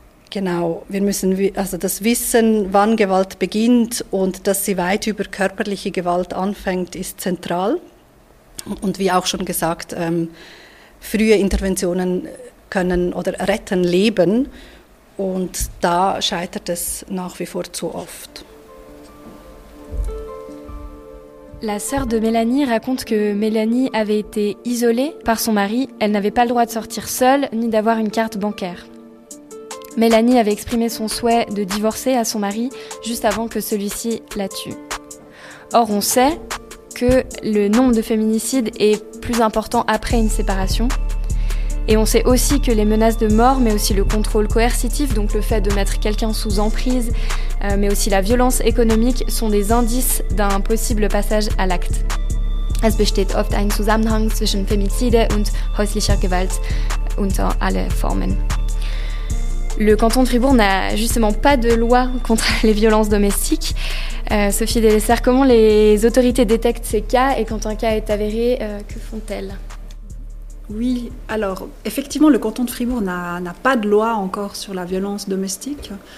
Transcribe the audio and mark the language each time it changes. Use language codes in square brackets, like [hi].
[de] Genau, wir müssen also das Wissen, wann Gewalt beginnt und dass sie weit über körperliche Gewalt anfängt, ist zentral. Und wie auch schon gesagt, frühe Interventionen können oder retten Leben. Und da scheitert es nach wie vor zu oft. [fr] La sœur de Mélanie raconte que Mélanie avait été isolée par son mari. Elle n'avait pas le droit de sortir seule ni d'avoir une carte bancaire. Mélanie avait exprimé son souhait de divorcer à son mari juste avant que celui-ci la tue. Or, on sait que le nombre de féminicides est plus important après une séparation. Et on sait aussi que les menaces de mort, mais aussi le contrôle coercitif, donc le fait de mettre quelqu'un sous emprise, mais aussi la violence économique, sont des indices d'un possible passage à l'acte. [de] Es besteht oft ein Zusammenhang zwischen Femizide und häuslicher Gewalt unter alle Formen. [fr] Le canton de Fribourg n'a justement pas de loi contre les violences domestiques. Sophie Delessert, comment les autorités détectent ces cas et quand un cas est avéré, que font-elles ? Oui, alors effectivement, le canton de Fribourg n'a pas de loi encore sur la violence domestique.